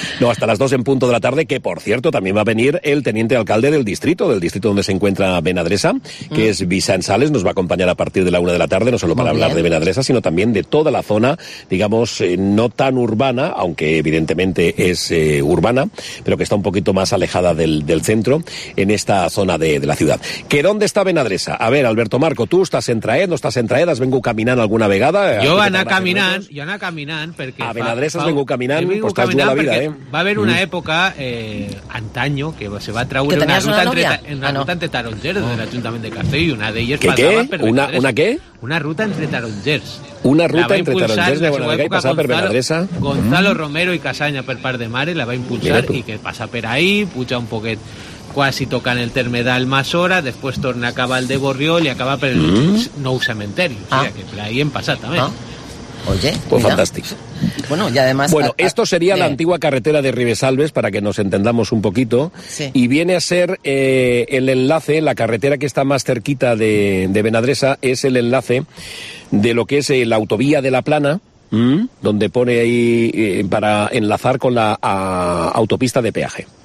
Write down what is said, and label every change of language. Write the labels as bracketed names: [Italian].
[Spanish] No, hasta las 2:00 de la tarde, que por cierto también va a venir el teniente alcalde del distrito donde se encuentra Benalesa, que es Vicent Sales, nos va a acompañar a partir de la 1:00 de la tarde, no solo para hablar de Benalesa, sino también de toda la zona, digamos, no tan urbana, aunque evidentemente es urbana, pero que está un poquito más alejada del centro, en esta zona de la ciudad. ¿Que dónde está Benalesa? A ver, Alberto Marco, ¿tú estás en Traed? ¿No estás en Traed? [Catalan] ¿Has vengut caminant alguna vegada? Jo anar caminant, perquè... A Benalesa has vengut caminant, pues t'has jugat la vida, Va haver una època, antaño, que se va traure una ruta entre tarongers de l'Ajuntament de Castelló, i una d'elles passava per Benalesa. Una què? Una ruta entre tarongers. Una ruta entre tarongers de Benalesa i passava per Benalesa. Gonzalo Romero i Casanya per part de mare la va impulsar i que passa per ahí, puja un poquet... quasi toquen el terme d'Almassora, després torna a acabar el de Borriol i acaba per el nou cementeri. O sea, que per ahí hem passat, també. Pues fantàstic. [Spanish] Bueno, y además... Bueno, esto sería la antigua carretera de Ribesalbes, para que nos entendamos un poquito. Sí. Y viene a ser el enlace, la carretera que está más cerquita de Benalesa, es el enlace de lo que es la autovía de La Plana, donde pone ahí para enlazar con la autopista de peaje.